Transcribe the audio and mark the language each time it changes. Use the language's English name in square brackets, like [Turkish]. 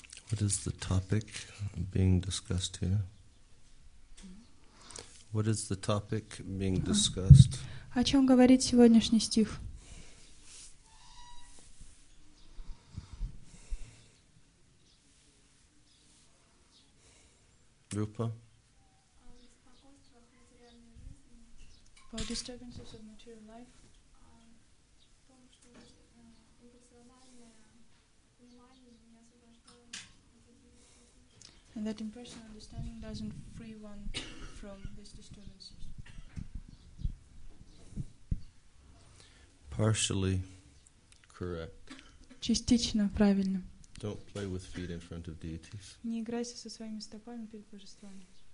[English] What is the topic being discussed here? What is the topic being discussed? [Russian] О чем говорит сегодняшний стих? [English] Rupa? About disturbances of material life. And that impersonal understanding doesn't free one from these disturbances. Partially correct. [Russian] Частично правильно. [English] Don't play with feet in front of deities. [Russian] Не играйся со своими стопами перед божествами.